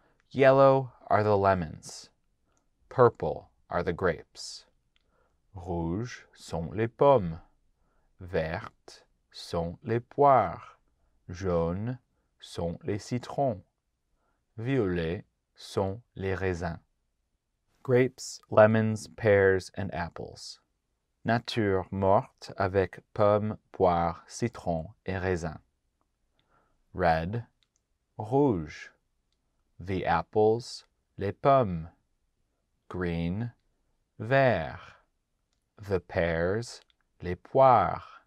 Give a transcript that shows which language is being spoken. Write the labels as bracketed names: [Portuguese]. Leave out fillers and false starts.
[English] Yellow are the lemons. Purple are the grapes. [French] Rouge sont les pommes. Vertes sont les poires. Jaunes sont les citrons. Violets sont les raisins. [English] Grapes, lemons, pears, and apples. [French] Nature morte avec pommes, poires, citrons et raisins. [English] Red, rouge. The apples, [French] les pommes. [English] Green, vert. The pears, [French] les poires.